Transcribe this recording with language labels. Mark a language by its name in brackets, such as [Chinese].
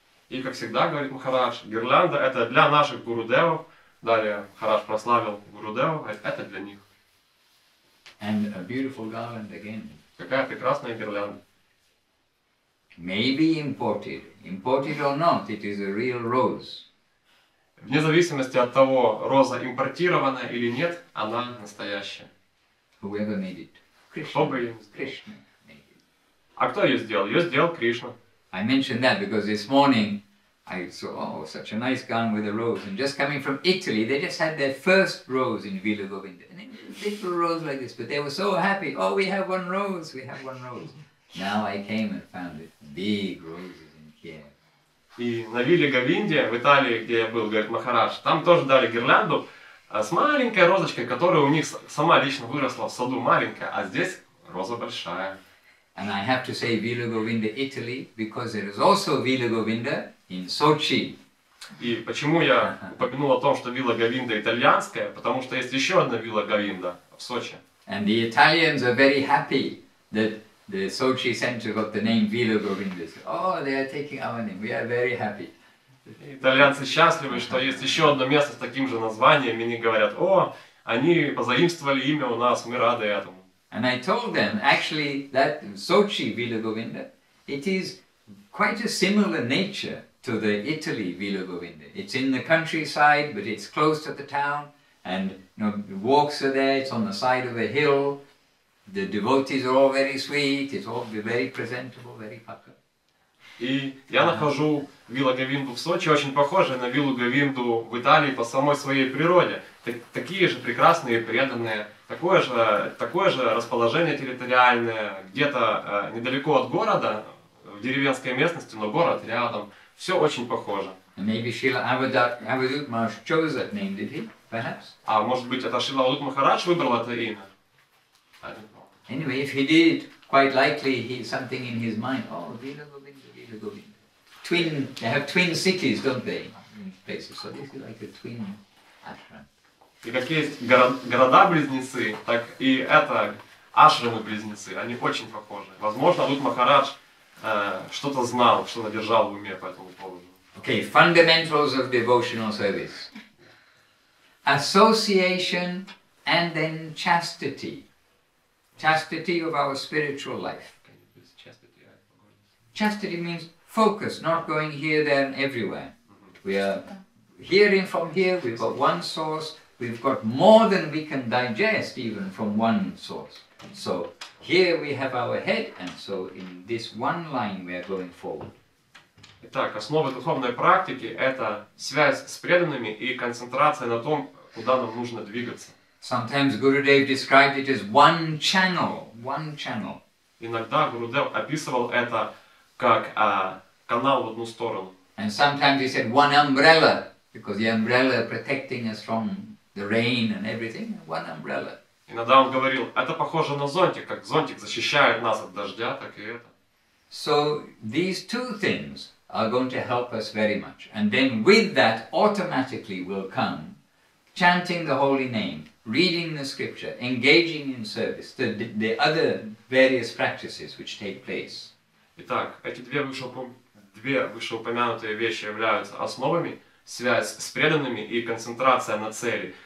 [Russian] И как всегда говорит Махарадж, гирлянда это для наших Гуру Девов. Далее Махарадж прославил Гуру Девов, это для них. [English] And a beautiful garland again. [Russian] Какая прекрасная гирлянда. [English] Maybe imported. Imported or not, it is a real rose. [Russian] Вне зависимости от того, роза импортирована или нет, она настоящая. [English] Whoever made it? [Russian] Кто бы ее сделал? [English] Krishna. [Russian] А кто ее сделал? Ее сделал Кришна. [English] I mentioned that because this morning I saw, oh, such a nice gown with a rose. And just coming from Italy, they just had their first rose in Villa Govinda. And a little rose like this, but they were so happy. Oh, we have one rose, we have one rose. Now I came and found it. Big roses in Kiev. [Russian] И на Вилле Говинде, в Италии, где я был, говорит Махарадж, там тоже дали гирлянду с маленькой розочкой, которая у них сама лично выросла в саду маленькая, а здесь роза большая. [English] And I have to say Villa Govinda, Italy, because there is also Villa Govinda in Sochi. [Russian] И почему я упомянул о том, что Вилла Говинда итальянская, потому что есть еще одна Вилла Говинда в Сочи. [English] And the Italians are very happy that the Sochi center got the name Villa Govinda. Oh, they are taking our name. We are very happy. [Russian] Итальянцы счастливы, что есть еще одно место с таким же названием, и они говорят: "О, они позаимствовали имя у нас, мы рады этому". [English] And I told them actually that Sochi Villa Govinda, it is quite a similar nature to the Italy Villa Govinda. It's in the countryside, but it's close to the town, and you know, the walks are there, it's on the side of a hill, the devotees are all very sweet, it's all very presentable, very popular. [Russian] И я нахожу Вилла Говинду в Сочи очень похожей на Виллу Говинду в Италии по самой своей природе. Такие же прекрасные преданные, такое же расположение территориальное, где-то недалеко от города, в деревенской местности, но город рядом. Все очень похоже. [English] Maybe Srila Avadhut Maharaj chose that name, did he? Perhaps? [Russian] А может быть, это Шрила Авадхут Махарадж выбрал это имя? [English] Anyway, if he did, quite likely he something in his mind. Oh, Villa Govinda, Villa Govinda. Twin, they have twin cities, don't they? Places. So this is like a twin ashram. [Russian] И как есть города-близнецы, так и это ашрамы-близнецы. Они очень похожи. Возможно, Авадхут Махарадж что-то знал, что-то держал в уме по этому поводу. [English] Okay, fundamentals of devotional service. Association and then chastity. Chastity of our spiritual life. Chastity means focus, not going here, there and everywhere. We are hearing from here, we've got one source, we've got more than we can digest even from one source. So here we have our head, and so in this one line we are going forward. [Russian] Итак, основа духовной практики – это связь с преданными и концентрация на том, куда нам нужно двигаться. [English] Sometimes Gurudev described it as one channel, one channel. [Russian] Иногда Гурудев описывал это как канал в одну сторону. [English] And sometimes he said one umbrella, because the umbrella protecting us from the rain and everything, one umbrella. [Russian] Иногда он говорил, это похоже на зонтик, как зонтик защищает нас от дождя, так и это. [English] So these two things are going to help us very much. And then with that, automatically will come chanting the holy name, reading the scripture, engaging in service, the other various practices which take place. [Russian] Итак, эти две вышеупомянутые вещи являются основами, связь с преданными и концентрация на цели.